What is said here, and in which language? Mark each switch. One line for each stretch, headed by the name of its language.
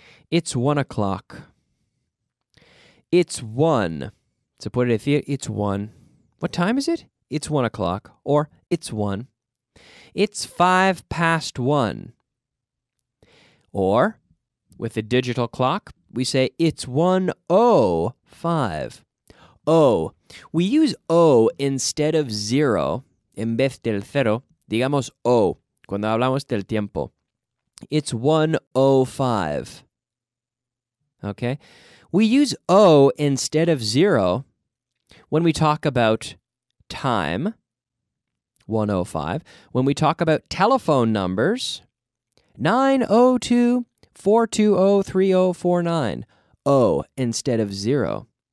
English: It's 1 o'clock. It's one.
Spanish: Se puede decir,
English: it's one. What time is it? It's 1 o'clock. Or, it's one. It's 1:05. Or, with a digital clock, we say, it's 1:05. Oh, we use O instead of zero,
Spanish: en vez del cero, digamos O, cuando hablamos del tiempo.
English: It's 1:05. Okay? We use O instead of zero when we talk about time, 1:05. When we talk about telephone numbers, 902-420-3049, O instead of zero.